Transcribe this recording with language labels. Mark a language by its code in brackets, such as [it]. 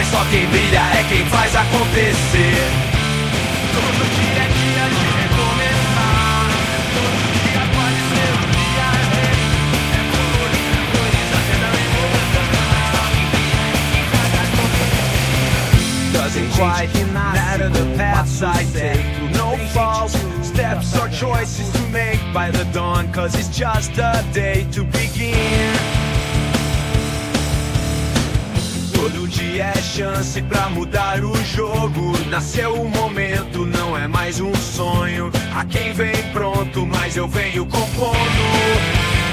[pt] Quem brilha é quem faz acontecer. Todo dia é dia de recomeçar. Todo dia pode ser um dia a ver. É colorida, coisa que dá em volta. Quem brilha é quem faz acontecer. [en] Doesn't quite matter the path I take. No faults, steps or choices to make by the dawn, cause it's just a day to begin. [pt] Todo dia é chance pra mudar o jogo. Nasceu o momento, não é mais um sonho. Há quem vem pronto, mas eu venho compondo.